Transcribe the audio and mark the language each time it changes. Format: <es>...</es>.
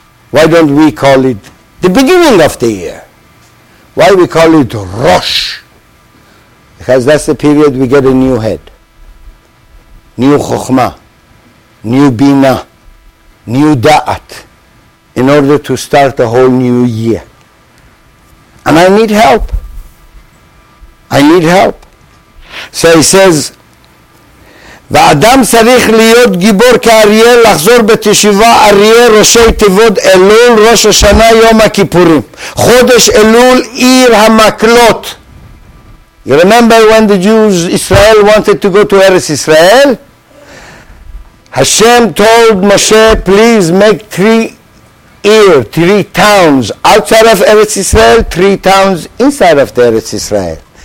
<en>Why don't we call it the beginning of the year? Why we call it Rosh? Because that's the period we get a new head. New Chokhmah. New Bina. New Da'at. In order to start a whole new year. And I need help. I need help. So he says,</en> <he>והאדם צריך להיות גיבור כאריה, לחזור בתשיבה אריה, ראשי תיבות אלול, ראש השנה, יום הכיפורים. חודש אלול, עיר המקלות.</he> <en>You remember when the Jews, Israel, wanted to go to Eretz Israel? Hashem told Moshe, please make three towns outside of Eretz Israel, three towns inside of the Eretz Israel.</en>